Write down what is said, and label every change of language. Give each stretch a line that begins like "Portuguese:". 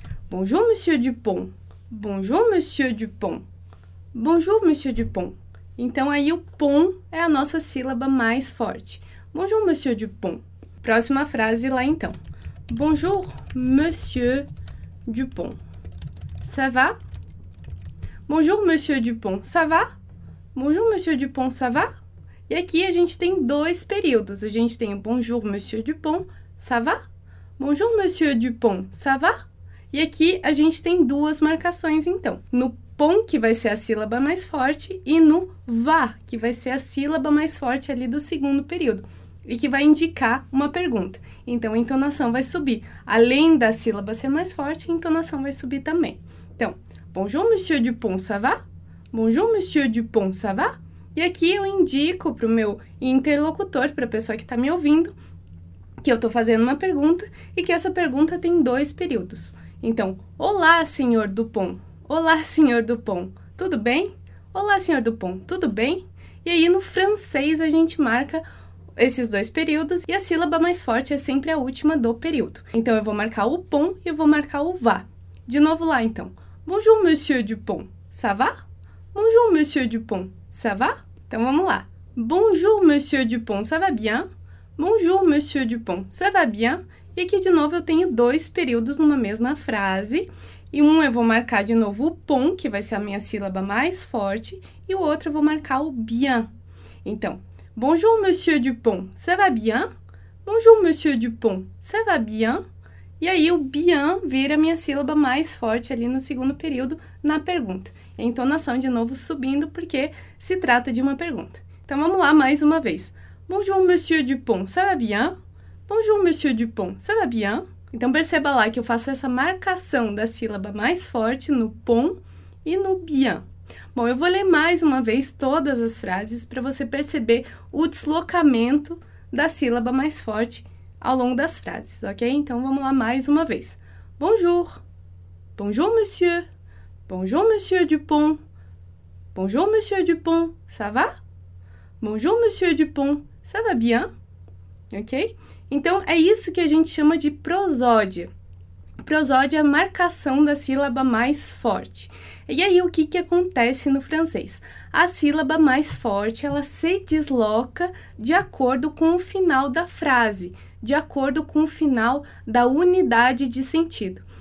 French: Bonjour, monsieur Dupont. Bonjour, monsieur Dupont. Bonjour, monsieur Dupont.
Portuguese: Então, aí o pon é a nossa sílaba mais forte.
French: Bonjour, monsieur Dupont.
Portuguese: Próxima frase lá, então.
French: Bonjour, monsieur Dupont. Ça va? Bonjour, monsieur Dupont. Ça va? Bonjour, monsieur Dupont. Ça va?
Portuguese: E aqui a gente tem dois períodos. A gente tem o
French: bonjour, monsieur Dupont. Ça va? Bonjour, monsieur Dupont. Ça va?
Portuguese: E aqui a gente tem duas marcações, então. No pon, que vai ser a sílaba mais forte, e no va, que vai ser a sílaba mais forte ali do segundo período, e que vai indicar uma pergunta. Então, a entonação vai subir. Além da sílaba ser mais forte, a entonação vai subir também.
French: Então, bonjour, monsieur Dupont, ça va? Bonjour, monsieur Dupont, ça va?
Portuguese: E aqui eu indico para o meu interlocutor, para a pessoa que está me ouvindo, que eu estou fazendo uma pergunta e que essa pergunta tem dois períodos. Então, olá, senhor Dupont. Olá, senhor Dupont, tudo bem? Olá, senhor Dupont, tudo bem? E aí, no francês, a gente marca esses dois períodos e a sílaba mais forte é sempre a última do período. Então, eu vou marcar o pon e eu vou marcar o va. De novo lá, então.
French: Bonjour, monsieur Dupont, ça va? Bonjour, monsieur Dupont, ça va?
Portuguese: Então, vamos lá.
French: Bonjour, monsieur Dupont, ça va bien? Bonjour, monsieur Dupont, ça va bien?
Portuguese: E aqui, de novo, eu tenho dois períodos numa mesma frase. E um eu vou marcar de novo o pon, que vai ser a minha sílaba mais forte, e o outro eu vou marcar o bien.
French: Então, bonjour monsieur Dupont, ça va bien? Bonjour monsieur Dupont, ça va bien?
Portuguese: E aí o bien vira a minha sílaba mais forte ali no segundo período na pergunta. A entonação de novo subindo porque se trata de uma pergunta. Então vamos lá mais uma vez.
French: Bonjour monsieur Dupont, ça va bien? Bonjour monsieur Dupont, ça va bien?
Portuguese: Então, perceba lá que eu faço essa marcação da sílaba mais forte no pon e no bien. Bom, eu vou ler mais uma vez todas as frases para você perceber o deslocamento da sílaba mais forte ao longo das frases, ok? Então, vamos lá mais uma vez.
French: Bonjour. Bonjour, monsieur. Bonjour, monsieur Dupont. Bonjour, monsieur Dupont. Ça va? Bonjour, monsieur Dupont. Ça va bien? Ok?
Portuguese: Então, é isso que a gente chama de prosódia. Prosódia é a marcação da sílaba mais forte. E aí, o que que acontece no francês? A sílaba mais forte, ela se desloca de acordo com o final da frase, de acordo com o final da unidade de sentido.